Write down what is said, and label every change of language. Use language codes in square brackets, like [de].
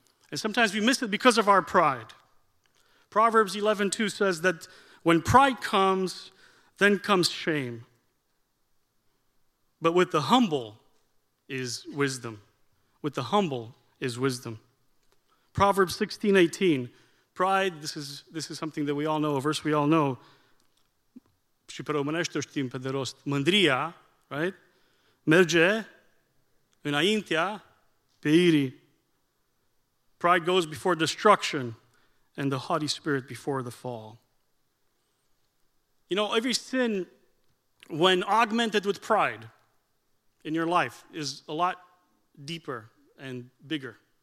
[en] And sometimes we miss it because of our pride. Proverbs 11:2 says that when pride comes, then comes shame. But with the humble is wisdom. With the humble is wisdom. Proverbs 16:18, pride, this is something that we all know, a verse we all know. [ro] Și pe românește o știm pe de rost. Mândria, right, merge înaintea pieirii. [en] Pride goes before destruction, and the haughty spirit before the fall. You know, every sin, when augmented with pride in your life, is a lot deeper and bigger.